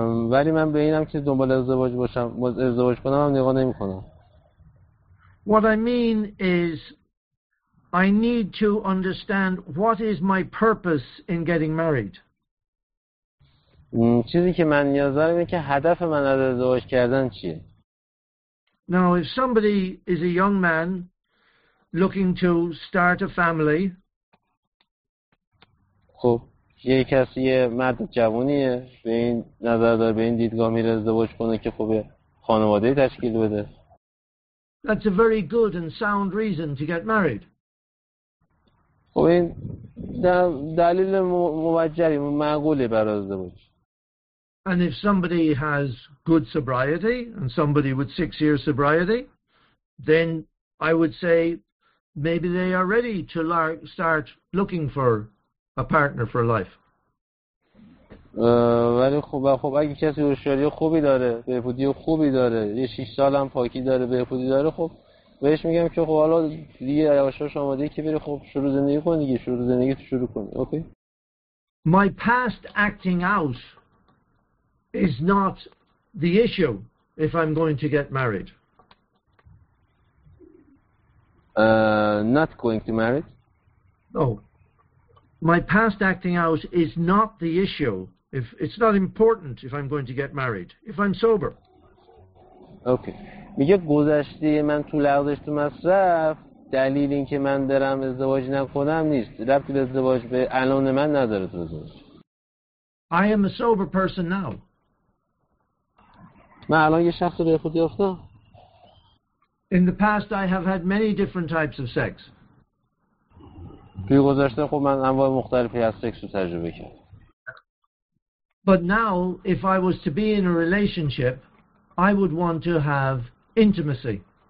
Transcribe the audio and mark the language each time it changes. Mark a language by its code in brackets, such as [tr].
[fa] ولی من به اینم که دنبال ازدواج باشم ازدواج کنم هم نگاه نمی کنم. [en] What I mean is I need to understand what is my purpose in getting married. [fa] چیزی که من نیاز دارم اینه که هدف من از ازدواج کردن چیه. [en] Now if somebody is a young man looking to start a family. [fa] خب یه کسی یه مرد جوانیه به این نظر داره به این دیدگاه میره ازدواج کنه که خب خانواده تشکیل بده. [en] That's a very good and sound reason to get married. [fa] خب این دلیل موجهی معقوله برای ازدواج. [en] And if somebody has good sobriety and somebody with 6 years sobriety, then I would say maybe they are ready to start looking for a partner for life. [fa] ولی خب اگه کسی هوشیاری خوبی داره، بهبودی خوبی داره، یه 6 سال هم پاکی داره، بهبودی داره، خب بهش میگم که خب حالا دیگه یواشاش آماده که بره خب شروع زندگی کنه دیگه، شروع زندگی تو شروع کنه. اوکی. [en] My past acting out is not the issue if I'm going to get married. Not going to marry? No. My past acting out is not the issue. If it's not important if I'm going to get married. If I'm sober. Okay. [fa] میگه گذشته من تو لغزش تو مصرف دلیل این که من دارم ازدواج نکنم نیست. ربطی به ازدواج به الان من نداره تو ازدواج. [en] I am a sober person now. [fa] من الان یه شخص بهبود یافتم. [en] In the past I have had many different types of sex. [fa] توی گذشته خب من انواع مختلفی از سکس رو تجربه کردم. [en] But now if I was to be in a relationship I would want to have intimacy.